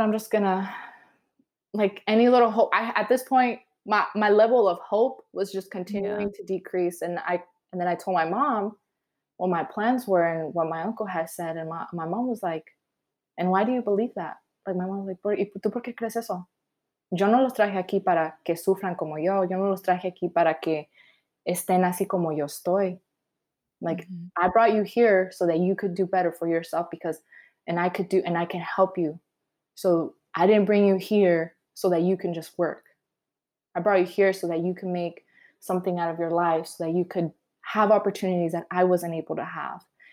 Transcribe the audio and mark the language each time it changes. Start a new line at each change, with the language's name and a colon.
English: I'm just gonna, like, any little hope. I, at this point, my level of hope was just continuing to decrease. And then I told my mom what my plans were and what my uncle had said. And my mom was like, and why do you believe that? Like, my mom was like,
Spanish: ¿tú por qué crees eso? Yo no los traje aquí para que sufran como yo. Yo no los traje aquí para que estén así como yo estoy.
English: Like, mm-hmm. I brought you here so that you could do better for yourself, because, and I can help you. So I didn't bring you here so that you can just work. I brought you here so that you can make something out of your life, so that you could have opportunities that I wasn't able to have.